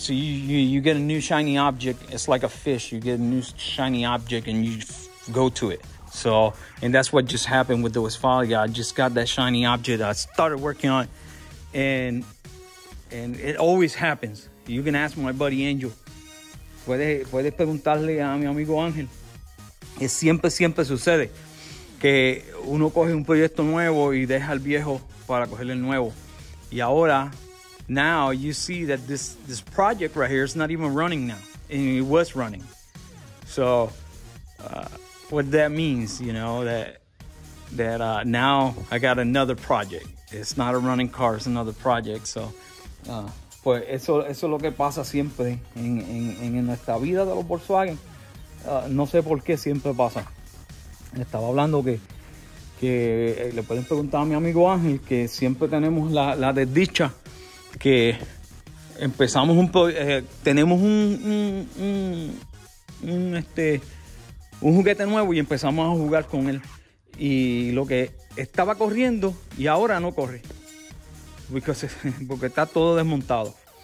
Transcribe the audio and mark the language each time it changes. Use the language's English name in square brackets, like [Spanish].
[English] So you get a new shiny object. It's like a fish. You get a new shiny object and you go to it. So, and that's what just happened with the Westfalia. I just got that shiny object I started working on. And it always happens. You can ask my buddy Angel [Spanish] puedes preguntarle a mi amigo Ángel, que siempre sucede que uno coge un proyecto nuevo y deja el viejo para coger el nuevo. [English] Y ahora, now you see that this project right here is not even running now, and it was running. So what that means, you know, that now I got another project. It's not a running car, it's another project. [Spanish] So pues eso es lo que pasa siempre en nuestra vida de los Volkswagen. No sé por qué siempre pasa. Estaba hablando que le pueden preguntar a mi amigo Ángel, que siempre tenemos la desdicha que empezamos un juguete nuevo y empezamos a jugar con él, y lo que estaba corriendo y ahora no corre porque está todo desmontado.